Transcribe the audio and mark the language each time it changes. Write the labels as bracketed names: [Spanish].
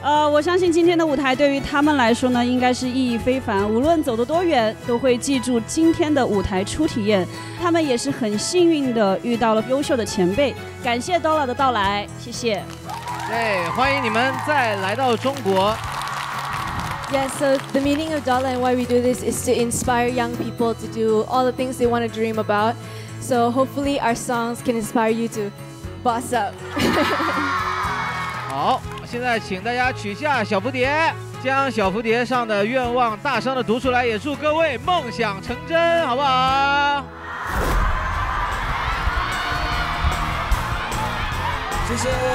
[Chinese] 我相信今天的舞台对于他们来说呢应该是意义非凡，无论走得多远都会记住今天的舞台初体验。他们也是很幸运的遇到了优秀的前辈，感谢 DOLLA 的到来，谢谢。对，欢迎你们再来到中国。 [English] Yes, so the meaning of DOLLA and why we do this is to inspire young people to do all the things they want to dream about. So hopefully our songs can inspire you to boss up. [Chinese] 好，现在请大家取下小蝴蝶，将小蝴蝶上的愿望大声地读出来，也祝各位梦想成真，好不好？谢谢。